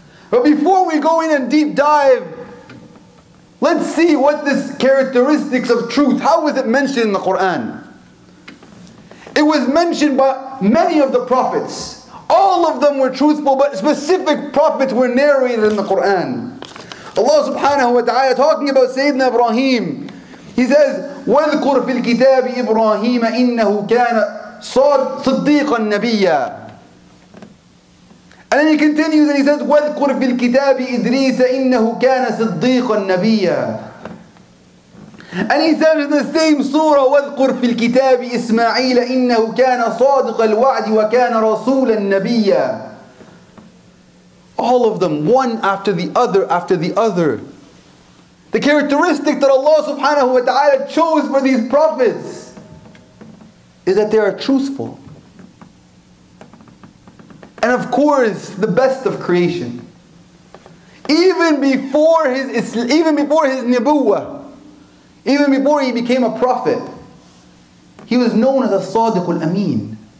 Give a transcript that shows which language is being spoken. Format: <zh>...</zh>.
<en>But before we go in and deep dive, let's see what this characteristics of truth, how was it mentioned in the Quran? It was mentioned by many of the prophets. All of them were truthful, but specific prophets were narrated in the Quran. Allah subhanahu wa ta'ala talking about Sayyidina Ibrahim. He says,</en> <ar>وَذْكُرْ فِي الْكِتَابِ إِبْرَاهِيمَ إِنَّهُ كَانَ صَدِّيقًا نَبِيًّا.</ar> <en>And then he continues and he says,</en> <ar>وَذْكُرْ فِي الْكِتَابِ إِدْرِيسَ إِنَّهُ كَانَ صِدِّيقًا نَبِيًّا.</ar> <en>And he says in the same surah,</en> <ar>وَذْكُرْ فِي الْكِتَابِ إِسْمَعِيلَ إِنَّهُ كَانَ صَادِقَ الْوَعْدِ وَكَانَ رَسُولًا نَبِيًّا.</ar> <en>All of them, one after the other after the other. The characteristic that Allah subhanahu wa ta'ala chose for these prophets is that they are truthful. And of course, the best of creation. Even before his nubuwwah, even before he became a prophet, he was known as a sadiq al-ameen.</en>